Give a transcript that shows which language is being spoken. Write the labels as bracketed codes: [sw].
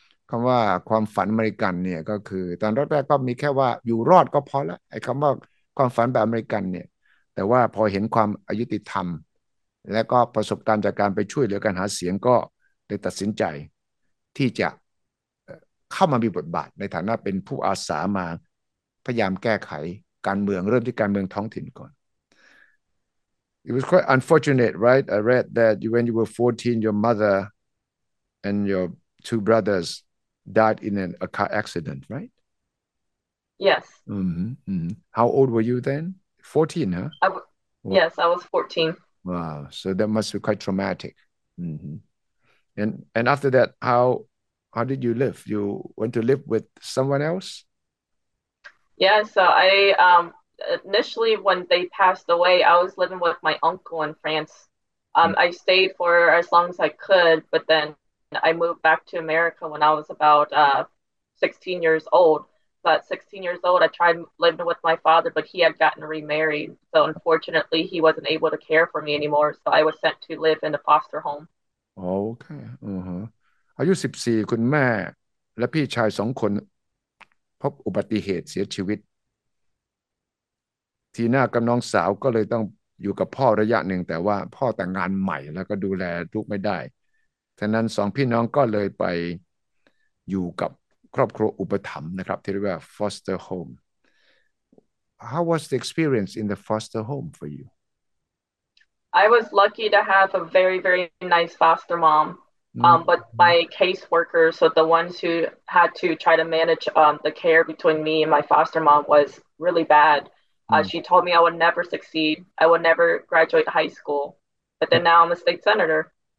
[th] คำว่าความฝันอเมริกันเนี่ยก็คือตอนแรกก็มีแค่ว่าอยู่รอดก็พอละไอ้คำว่าความฝันแบบอเมริกันเนี่ยแต่ว่าพอเห็นความอยุติธรรมและก็ประสบการณ์จากการไปช่วยเหลือการหาเสียงก็ได้ตัดสินใจที่จะเข้ามามีบทบาทในฐานะเป็นผู้อาสามาพยายามแก้ไขการเมืองเริ่มที่การเมืองท้องถิ่นก่อน [en] It was quite unfortunate, right? I read that when you were 14, your mother and your two brothers died in a car accident, right? Yes. How old were you then? 14, huh? Yes, I was 14. Wow, so that must be quite traumatic. And after that, how did you live? You went to live with someone else? Yeah, so I initially when they passed away, I was living with my uncle in France. I stayed for as long as I could, but then I moved back to America when I was about 16 years old. So at 16 years old, I tried living with my father, but he had gotten remarried. So unfortunately, he wasn't able to care for me anymore. So I was sent to live in a foster home. Okay. [th] อายุ14คุณแม่และพี่ชาย2คนพบอุบัติเหตุเสียชีวิตทีน่ากับน้องสาวก็เลยต้องอยู่กับพ่อระยะหนึ่งแต่ว่าพ่อแต่งงานใหม่แล้วก็ดูแลลูกไม่ได้ฉะนั้น2พี่น้องก็เลยไปอยู่กับครอบครัวอุปถัมภ์นะครับที่เรียกว่า foster home [en] How was the experience in the foster home for you I was lucky to have a very very nice foster mom but my caseworker so the ones who had to try to manage the care between me and my foster mom was really bad she told me I would never succeed I would never graduate high school but then now I'm a state senator